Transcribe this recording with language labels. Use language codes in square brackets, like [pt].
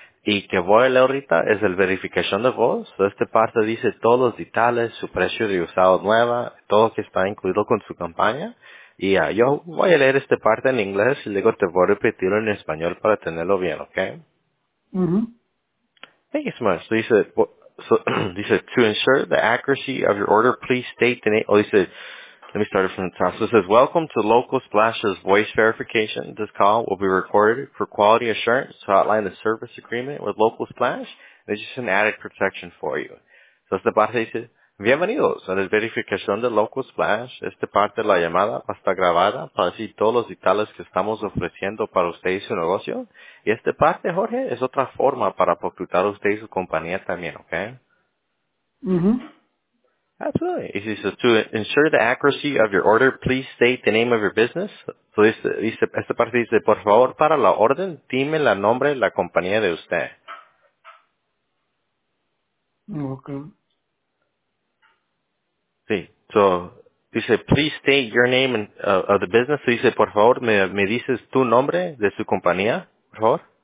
[es] Y que voy a leer ahorita es el verification de voz. Esta parte dice todos los detalles, su precio de usado nueva, todo que está incluido con su campaña. Y yo voy a leer esta parte en inglés y luego te voy a repetirlo en español para tenerlo bien, ¿ok? [en] Thank you so much. So, dice, to ensure the accuracy of your order, please state the name. Oh, dice, let me start it from the top. So it says, welcome to Local Splash's voice verification. This call will be recorded for quality assurance to outline the service agreement with Local Splash. There's just an added protection for you. [es] So esta parte dice, bienvenidos a la verificación de Local Splash. Esta parte de la llamada va a estar grabada para decir todos los detalles que estamos ofreciendo para usted y su negocio. Y esta parte, Jorge, es otra forma para facturar a usted y su compañía también, ¿ok? [en] Absolutely. He says, to ensure the accuracy of your order, please state the name of your business. [es] So dice, esta parte dice, por favor, para la orden, dime el nombre de la compañía de usted. Ok. [en] Sí, so, dice, please state your name and of the business. [es] So, dice, por favor, me dices tu nombre de su compañía, por favor.